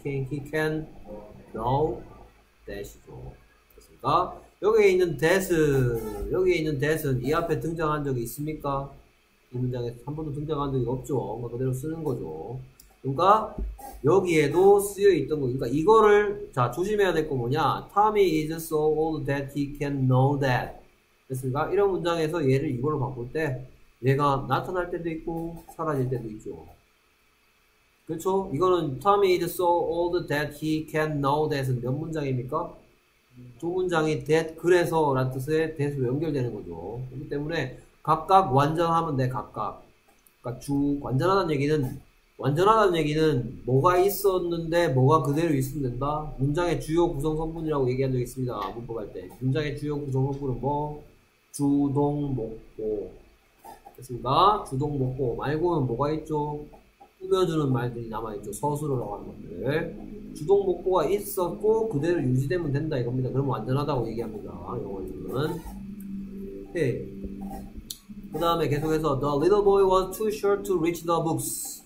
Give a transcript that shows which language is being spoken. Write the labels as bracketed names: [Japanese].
[English] can, he can, no, that이죠. [Korean] 됐습니까? 여기에 있는 that은 이 앞에 등장한 적이 있습니까? 이 문장에 한 번도 등장한 적이 없죠. 그대로 쓰는 거죠. 그러니까 여기에도 쓰여 있던 거. 그러니까 이거를 자 조심해야 될거 뭐냐? [English] Tommy is so old that he can know that. [Korean] 됐습니까? 이런 문장에서 얘를 이걸로 바꿀 때 얘가 나타날 때도 있고 사라질 때도 있죠. 그렇죠? 이거는 [English] Tommy is so old that he can know that [Korean] 은 몇 문장입니까? 두 문장이 that 그래서 라는 뜻에 that으로 연결되는 거죠. 그렇기 때문에 각각 완전하면 돼, 각각. 그러니까 주 완전하다는 얘기는 뭐가 있었는데 뭐가 그대로 있으면 된다. 문장의 주요 구성 성분이라고 얘기한 적 있습니다. 문법할 때 문장의 주요 구성 성분은 뭐? 주동 목고. 됐습니다. 주동 목고 말고는 뭐가 있죠? 꾸며주는 말들이 남아있죠. 서술어라고 하는 것들. 주동 목고가 있었고 그대로 유지되면 된다 이겁니다. 그럼 완전하다고 얘기합니다. 영어로는. 오케이. 그 다음에 계속해서 [English] The little boy was too short to reach the books.